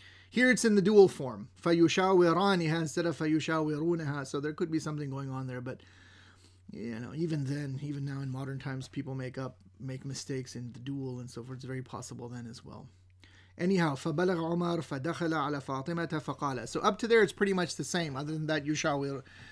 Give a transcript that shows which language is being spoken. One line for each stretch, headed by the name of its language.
English: Here it's in the dual form. فيشاورانها instead of فيشاورونها. So there could be something going on there. But, you know, even then, even now in modern times, people make mistakes in the dual and so forth. It's very possible then as well.
Arabic: Anyhow, فبلغ عمر فدخل على فاطمة فقال.
English: So up to there, it's pretty much the same. Other than that, يشاورون.